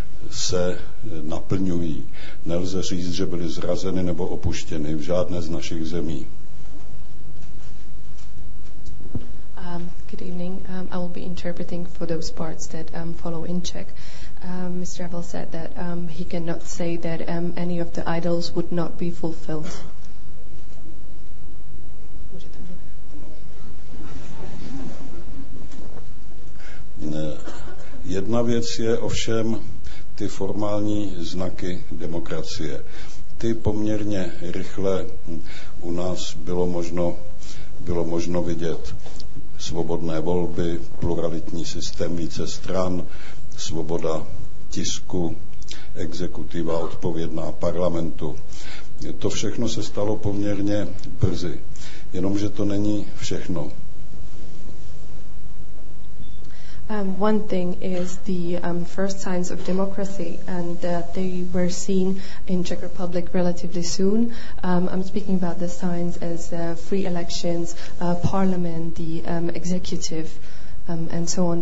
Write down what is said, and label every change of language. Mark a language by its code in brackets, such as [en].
[cs] se naplňují. Nelze říct, že byly zrazeny nebo opuštěny v žádné z našich zemí. [en] Good evening. I will be interpreting for those parts that follow in Czech. Mr. Avel said that he cannot say that any of the idols would not be fulfilled. [cs] Jedna věc je ovšem ty formální znaky demokracie. Ty poměrně rychle u nás bylo možno vidět svobodné volby, pluralitní systém více stran, svoboda tisku, exekutiva odpovědná parlamentu. To všechno se stalo poměrně brzy. Jenomže to není všechno. [en] One thing is the first signs of democracy, and they were seen in Czech Republic relatively soon. I'm speaking about the signs as free elections, parliament, the executive, and so on.